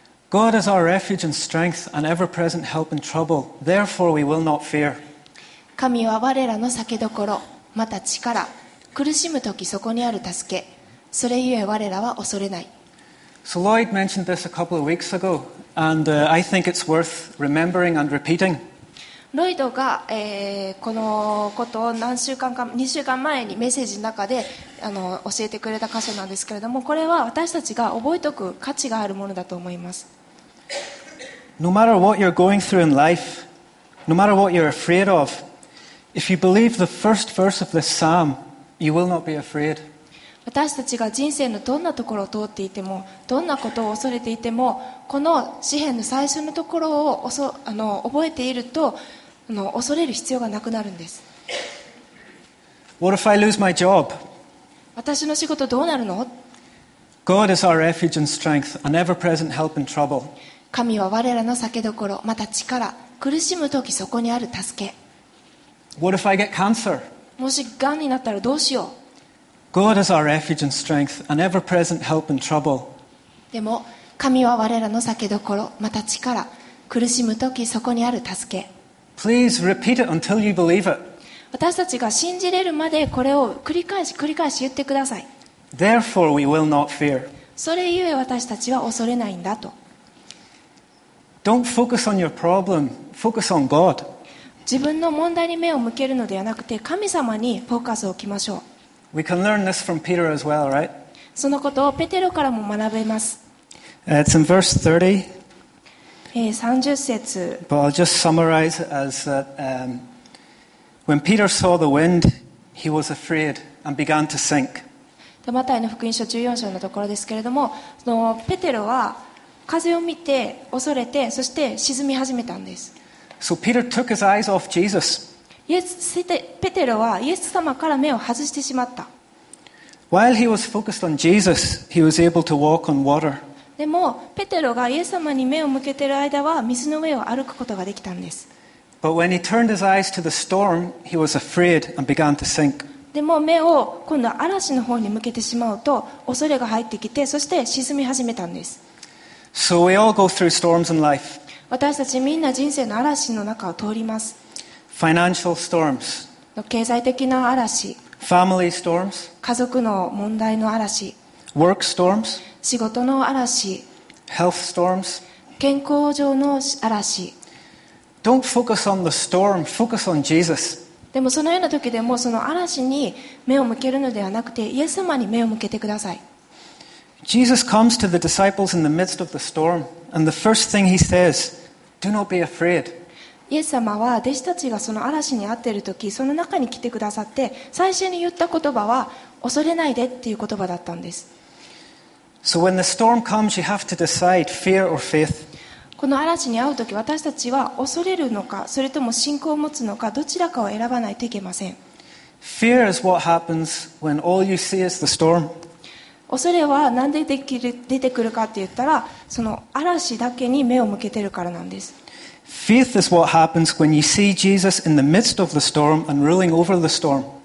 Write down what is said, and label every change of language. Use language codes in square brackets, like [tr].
[en] God is our refuge and strength, an ever-present help in trouble. Therefore we will not fear. [ja] 神は我らの避けどころ、また力、苦しむときそこにある助け、それゆえ我らは恐れない。 [en] So Lloyd mentioned this a couple of weeks ago, and I think it's worth remembering and repeating. [ja] ロイドが、このことを何週間か、2週間前にメッセージの中で教えてくれた箇所なんですけれども、これは私たちが覚えておく価値があるものだと思います。 [en] No matter what you're going through in life, no matter what you're afraid of, if you believe the first verse of this psalm, you will not be afraid. [ja] 私たちが人生のどんなところを通っていても、どんなことを恐れていても、この詩篇の最初のところを覚えていると、恐れる必要がなくなるんです。 [en] What if I lose my job? [ja] 私の仕事どうなるの? [en] God is our refuge and strength, an ever-present help in trouble. [ja] 神は我らの酒どころ、また力、苦しむときそこにある助け。 [en] What if I get cancer? [ja] もし癌になったらどうしよう? [en] God is our refuge and strength, an ever-present help in trouble. [ja] でも、神は我らの酒どころ、また力、苦しむときそこにある助け。 [en] Please repeat it until you believe it. [ja] 私たちが信じれるまでこれを繰り返し繰り返し言ってください。 [en] Therefore we will not fear. [ja] それゆえ私たちは恐れないんだと。 [en] Don't focus on your problem. Focus on God. [ja] 自分の問題に目を向けるのではなくて神様にフォーカスを置きましょう。 [en] We can learn this from Peter as well, right? [ja] そのことをペテロからも学べます。 [en] It's in verse 30. [ja] 30節。 [en] But I'll just summarize it as that, When Peter saw the wind, he was afraid and began to sink. [ja] マタイの福音書14章のところですけれども、そのペテロは風を見て恐れて、そして沈み始めたんです。 [en] So Peter took his eyes off Jesus. [ja] ペテロはイエス様から目を外してしまった。 [en] While he was focused on Jesus, he was able to walk on water. [ja] でもペテロがイエス様に目を向けている間は水の上を歩くことができたんです。 [en] But when he turned his eyes to the storm, he was afraid and began to sink. [ja] でも目を今度は嵐の方に向けてしまうと恐れが入ってきて、そして沈み始めたんです。 [en] So we all go through storms in life. [ja] 私たちみんな人生の嵐の中を通ります。 [en] Financial storms. [ja] 経済的な嵐。 [en] Family storms. [ja] 家族の問題の嵐。 [en] Work storms. [ja] 仕事の嵐。 [en] Health storms. [ja] 健康上の嵐。 [en] Don't focus on the storm. Focus on Jesus. [ja] でもそのような時でもその嵐に目を向けるのではなくてイエス様に目を向けてください。 [en] Jesus comes to the disciples in the midst of the storm, and the first thing he says, "Do not be afraid." [ja] イエス様は弟子たちがその嵐に遭っている時、その中に来てくださって、最初に言った言葉は恐れないでっていう言葉だったんです。 [en] So when the storm comes, you have to decide fear or faith. [ja] この嵐に遭うとき、私たちは恐れるのか、それとも信仰を持つのか、どちらかを選ばないといけません。 [en] Fear is what happens when all you see is the storm. [ja] 恐れは何で出てくるかって言ったら、その嵐だけに目を向けてるからなんです。 [en] Faith is what happens when you see Jesus in the midst of the storm and ruling over the storm.